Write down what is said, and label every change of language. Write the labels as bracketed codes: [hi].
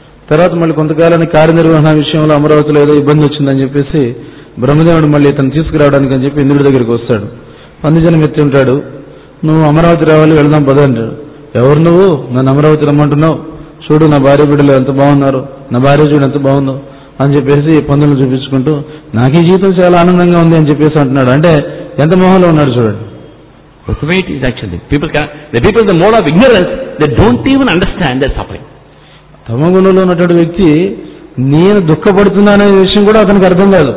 [te] తర్వాత మళ్ళీ కొంతకాలానికి కార్యనిర్వహణ విషయంలో అమరావతిలో ఏదో ఇబ్బంది వచ్చిందని చెప్పేసి బ్రహ్మదేవుడు మళ్ళీ ఇతను తీసుకురావడానికి అని చెప్పి ఇంద్రుడి దగ్గరికి వస్తాడు. పంది జనం ఎత్తి ఉంటాడు. నువ్వు అమరావతి రావాలి, వెళ్దాం పద అంటాడు. ఎవరు నువ్వు? నన్ను అమరావతి రమ్మంటున్నావు, చూడు నా భార్య బిడ్డలు ఎంత బాగున్నారు, నా భార్య చూడు ఎంత బాగుందో అని చెప్పేసి పందులను చూపించుకుంటూ నాకు ఈ జీవితం చాలా ఆనందంగా ఉంది అని చెప్పేసి అంటున్నాడు. అంటే ఎంత మోహంలో ఉన్నాడు చూడండి. [en] Ultimate is actually the people in the mode of ignorance, they don't even understand their suffering. [te] తమగుణంలో ఉన్నటువంటి వ్యక్తి నేను దుఃఖపడుతున్నాను అనే విషయం కూడా అతనికి అర్థం కాదు.